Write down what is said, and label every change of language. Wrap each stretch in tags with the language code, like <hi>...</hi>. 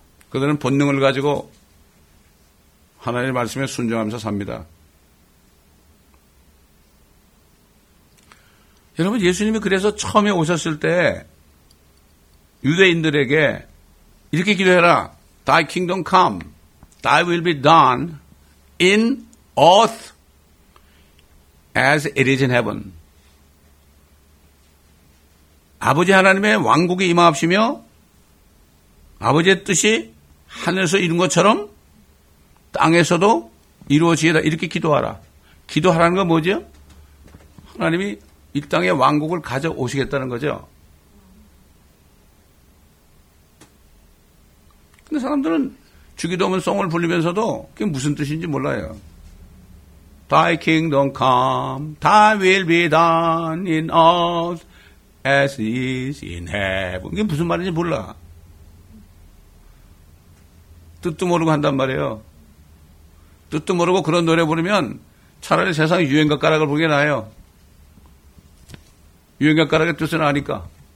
<ko>그들은 본능을 가지고 하나님의 말씀에 순종하면서 삽니다. 여러분, 예수님이 그래서 처음에 오셨을 때 유대인들에게 이렇게 기도해라.</ko> <en>Thy kingdom come. Thy will be done in earth as it is in heaven.</en> <ko>아버지 하나님의 왕국이 임하옵시며 아버지의 뜻이 하늘에서 이룬 것처럼 땅에서도 이루어지게다. 이렇게 기도하라. 기도하라는 건 뭐죠? 하나님이 이 땅의 왕국을 가져오시겠다는 거죠. 근데 사람들은 주기도문 송을 부르면서도 그게 무슨 뜻인지 몰라요.</ko> <en>Thy kingdom come, thy will be done in earth as it is in heaven.</en> <ko>그게 무슨 말인지 몰라. 뜻도 모르고 한단 말이에요. 뜻도 모르고 그런 노래 부르면 차라리 세상 유행가 가락을 보게 나아요. 유행가 가락의 뜻은 아니까.</ko>